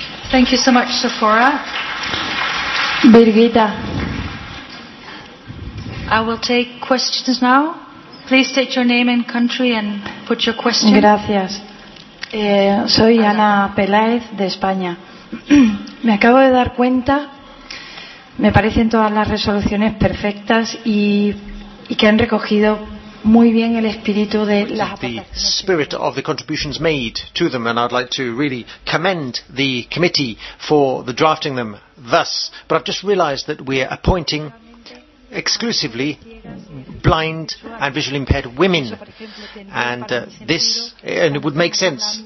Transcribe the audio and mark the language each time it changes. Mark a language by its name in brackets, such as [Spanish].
[English] Thank you so much, Sephora. Birgitta. I will take questions now. Please state your name and country and put your question. [Spanish] Gracias. Soy Ana Peláez, de España. Me acabo de dar cuenta, me parecen todas las resoluciones perfectas y que han recogido muy bien el espíritu de las [English] the spirit of the contributions made to them, and I'd like to really commend the committee for the drafting them thus. But I've just realized that we're appointing exclusively blind and visually impaired women, and it would make sense.